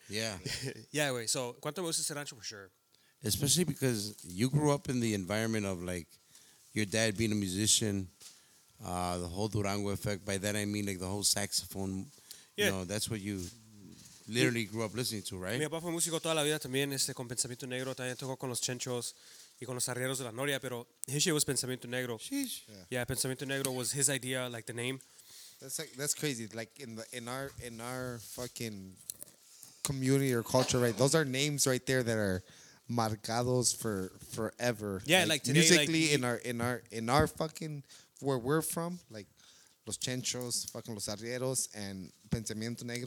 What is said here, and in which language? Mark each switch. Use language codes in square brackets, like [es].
[en] Yeah. Yeah, anyway. So, Cuánto Me Gusta Este Rancho for sure. Especially because you grew up in the environment of like your dad being a musician, the whole Durango effect. By that I mean like the whole saxophone. Yeah. You know, that's what you literally grew up listening to, right? [es] Mi papá fue músico toda la vida también, con Pensamiento Negro. También tocó con los Chenchos y con los Arrieros de la Noria, pero [en] his shit was [es] Pensamiento Negro. [en] Sheesh. Yeah, Pensamiento Negro was his idea, like the name. That's like, that's crazy. Like in our fucking community or culture, right? Those are names right there that are marcados for forever. Yeah, like today, musically, like, in our fucking where we're from, like Los Chenchos, fucking Los Arrieros, and Pensamiento Negro.